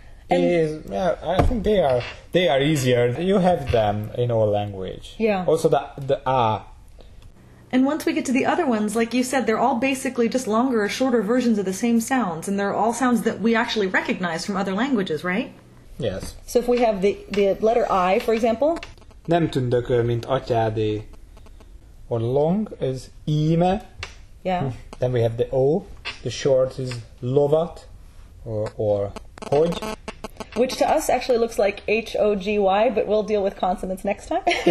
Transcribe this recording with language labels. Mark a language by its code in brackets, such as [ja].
[en] I think they are easier. You have them in all language. Yeah. Also the A. And once we get to the other ones, like you said, they're all basically just longer or shorter versions of the same sounds. And they're all sounds that we actually recognize from other languages, right? Yes. So if we have the letter I, for example. [hu] Nem tündökö, mint atyádé. [en] Or long is íme. Yeah. Then we have the O, the short is lovat, or hogy. Which to us actually looks like H-O-G-Y, but we'll deal with consonants next time.